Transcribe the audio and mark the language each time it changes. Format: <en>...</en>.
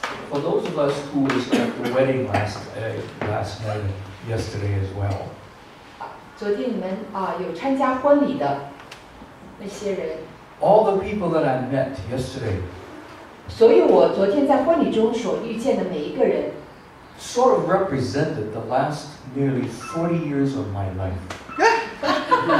<en>For those of us who was at the wedding last night and yesterday as well,</en> <zh>昨天你们, 有参加婚礼的那些人,</zh> <en>all the people that I met yesterday,</en> <zh>所以我昨天在婚礼中所遇见的每一个人,</zh> <en>sort of represented the last nearly 40 years of my life.</en>